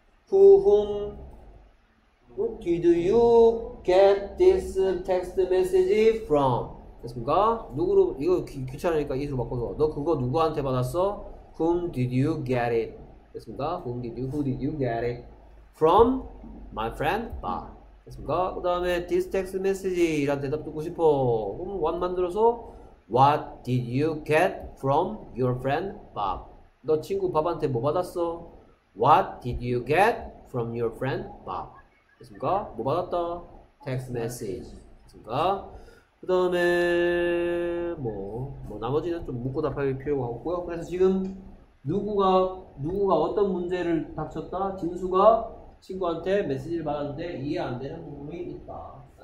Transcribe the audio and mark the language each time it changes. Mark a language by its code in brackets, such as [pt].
[en] Who whom did you get this text message from? [ko] 됐습니까? 누구로, 이거 귀찮으니까 이수로 바꿔서. 너 그거 누구한테 받았어? [en] Whom did you get it? [ko] 됐습니까? [en] Who did you get it? From my friend Bob. [ko] 됐습니까? 그 다음에 [en] this text message [ko] 라는 대답 듣고 싶어. 그럼 what 만들어서? [en] What did you get from your friend Bob? [ko] 너 친구 밥한테 뭐 받았어? [en] What did you get from your friend Bob? [ko] 됐습니까? 뭐 받았다? Text message. 됐습니까? 그 다음에 뭐 나머지는 좀 묻고 답할 필요가 없고요. 그래서 지금 누구가 어떤 문제를 닥쳤다? 진수가 친구한테 메시지를 받았는데 이해 안 되는 부분이 있다.